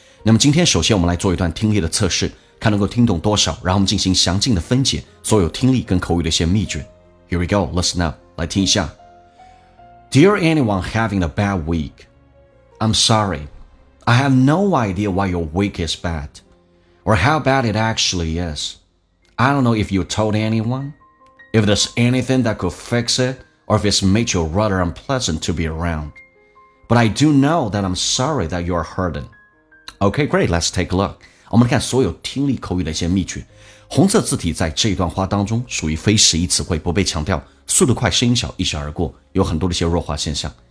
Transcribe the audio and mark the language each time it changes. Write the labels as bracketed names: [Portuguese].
[Chinese] 那么今天首先我们来做一段听力的测试，看能够听懂多少，然后我们进行详尽的分解所有听力跟口语的一些秘诀。 [English] Here we go, listen up, [Chinese] 来听一下。 [English] Dear anyone having a bad week, I'm sorry, I have no idea why your week is bad, or how bad it actually is. I don't know if you told anyone, if there's anything that could fix it,or if it's made you rather unpleasant to be around. But I do know that I'm sorry that you're hurting. Okay, great, let's take a look. [Chinese] 我们来看所有听力口语的一些秘诀。红色字体在这一段话当中属于非实义词汇，不被强调，速度快，声音小，一闪而过，有很多的一些弱化现象。